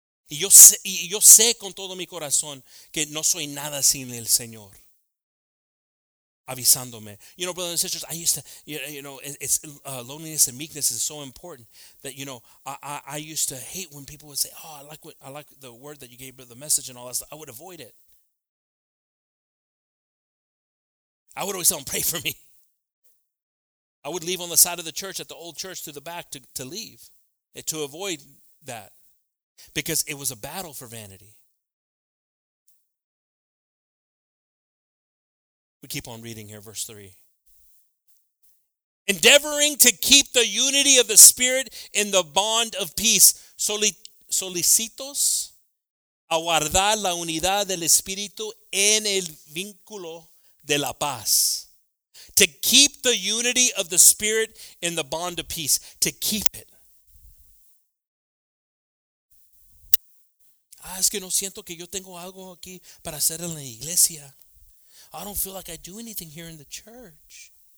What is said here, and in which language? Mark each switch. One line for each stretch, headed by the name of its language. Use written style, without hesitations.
Spanish: Y yo sé con todo mi corazón que no soy nada sin el Señor avisándome.
English: You know, brothers and sisters, I used to, it's loneliness and meekness is so important that, you know, I used to hate when people would say, oh, I like the word that you gave, the message and all that stuff. I would avoid it. I would always tell them, pray for me. I would leave on the side of the church at the old church to the back to leave it, to avoid that. Because it was a battle for vanity. We keep on reading here, verse 3. Endeavoring to keep the unity of the Spirit in the bond of peace.
Spanish: Solicitos a guardar la unidad del Espíritu en el vínculo de la paz.
English: To keep the unity of the Spirit in the bond of peace. To keep it.
Spanish: Ah, es que no siento que yo tengo algo aquí para hacer en la iglesia.
English: I don't feel like I do anything here in the church.